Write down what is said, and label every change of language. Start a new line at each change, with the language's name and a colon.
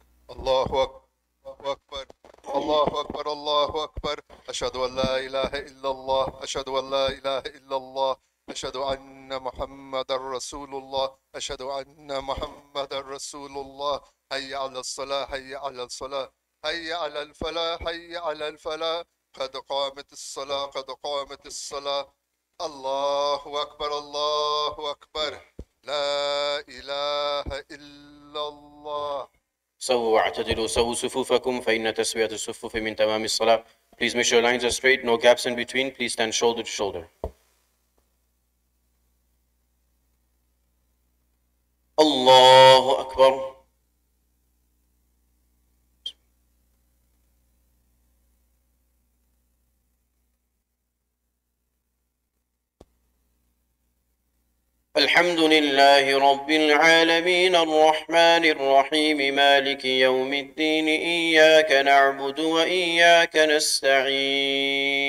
Arabic: الله أكبر الله أكبر الله أكبر أشهد أن لا إله إلا الله أشهد أن لا إله إلا الله أشهد أن محمد رسول الله أشهد أن محمد رسول الله هيا على الصلاة هيا على الصلاة هيا على الفلاح هيا على الفلاح قد قامت الصلاة قد قامت الصلاة الله أكبر الله أكبر لا إله إلا الله سووا واعتدلوا سووا صفوفكم فإن تسوية الصفوف من تمام الصلاة
English: Please make sure your lines are straight, no gaps in between. Please stand shoulder to shoulder.
Arabic: الله أكبر الحمد لله رب العالمين الرحمن الرحيم مالك يوم الدين إياك نعبد وإياك نستعين